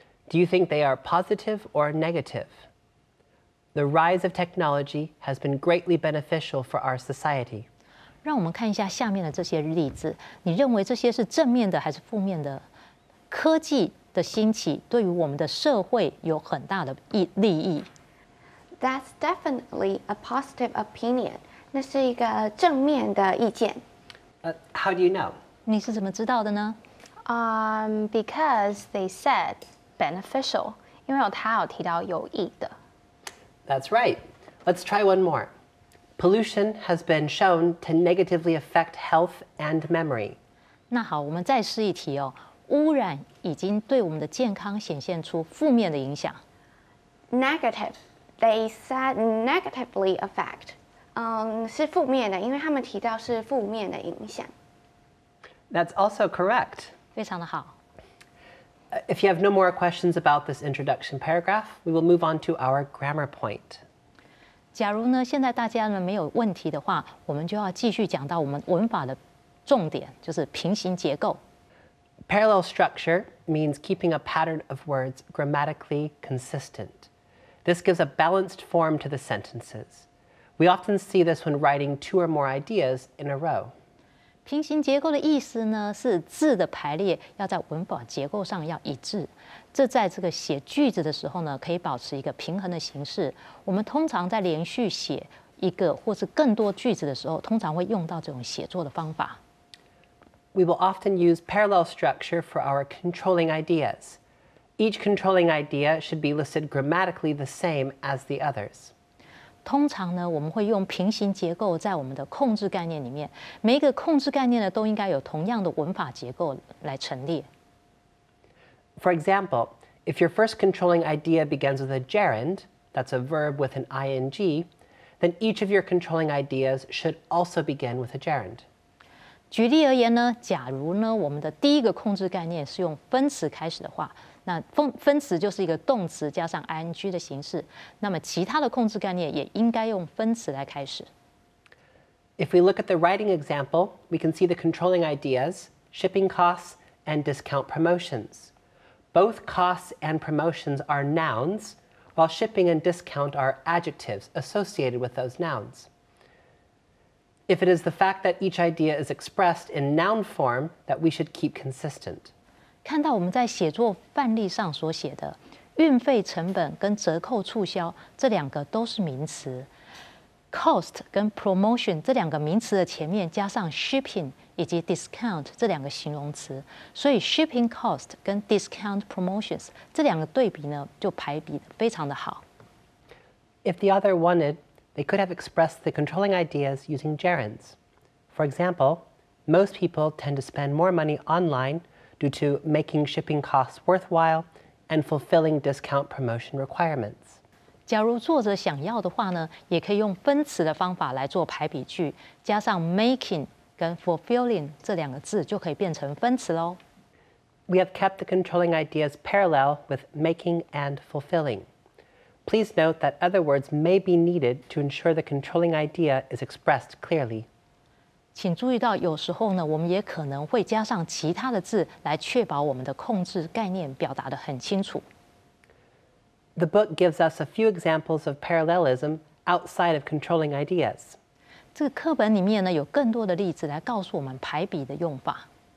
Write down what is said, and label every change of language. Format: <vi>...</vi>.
<en>Do you think they are positive or negative? The rise of technology has been greatly beneficial for our society.</en> <zh>让我们看一下下面的这些例子，你认为这些是正面的还是负面的？科技的兴起对于我们的社会有很大的利益。</zh> <en>That's definitely a positive opinion.</en> <zh>那是一个正面的意见。</zh> <en>How do you know?</en> <zh>你是怎么知道的呢？</zh> <en>Because they said beneficial.</en> <zh>因为他有提到有益的。</zh> <en>That's right. Let's try one more. Pollution has been shown to negatively affect health and memory.</en> <zh>那好，我们再试一题哦。污染已经对我们的健康显现出负面的影响。</zh> <en>Negative. They said negatively affect.</en> <zh>是负面的，因为他们提到是负面的影响。</zh> <en>That's also correct.</en> <zh>非常的好。</zh> <en>If you have no more questions about this introduction paragraph, we will move on to our grammar point.</en> <zh>假如呢，现在大家呢没有问题的话，我们就要继续讲到我们文法的重点，就是平行结构。</zh> <en>Parallel structure means keeping a pattern of words grammatically consistent. This gives a balanced form to the sentences. We often see this when writing two or more ideas in a row.</en> <zh>平行结构的意思呢，是字的排列要在文法结构上要一致。这在这个写句子的时候呢，可以保持一个平衡的形式。我们通常在连续写一个或是更多句子的时候，通常会用到这种写作的方法。</zh> <en>We will often use parallel structure for our controlling ideas. Each controlling idea should be listed grammatically the same as the others.</en> <zh>通常呢，我们会用平行结构在我们的控制概念里面，每一个控制概念呢都应该有同样的文法结构来陈列。</zh> <en>For example, if your first controlling idea begins with a gerund, that's a verb with an ing, then each of your controlling ideas should also begin with a gerund.</en> <zh>举例而言呢，假如呢，我们的第一个控制概念是用分词开始的话，那分词就是一个动词加上 ing 的形式，那么其他的控制概念也应该用分词来开始。</zh> <en>If we look at the writing example, we can see the controlling ideas, shipping costs and discount promotions. Both costs and promotions are nouns, while shipping and discount are adjectives associated with those nouns. If it is the fact that each idea is expressed in noun form that we should keep consistent.</en> <zh>看到我们在写作范例上所写的运费成本跟折扣促销这两个都是名词。 Cost 跟 promotion 这两个名词的前面加上 shipping 以及 discount 这两个形容词。所以 shipping cost 跟 discount promotions 这两个对比呢就排比非常的好。</zh> <en>If the other wanted,They could have expressed the controlling ideas using gerunds. For example, most people tend to spend more money online due to making shipping costs worthwhile and fulfilling discount promotion requirements.</en> <zh>假如作者想要的话呢，也可以用分词的方法来做排比句，加上 making 跟 fulfilling 这两个字就可以变成分词咯。</zh> <en>We have kept the controlling ideas parallel with making and fulfilling. Please note that other words may be needed to ensure the controlling idea is expressed clearly.</en> <zh>请注意到有时候呢，我们也可能会加上其他的字来确保我们的控制概念表达得很清楚。</zh> <en>The book gives us a few examples of parallelism outside of controlling ideas.</en> <zh>这个课本里面呢，有更多的例子来告诉我们排比的用法。</zh>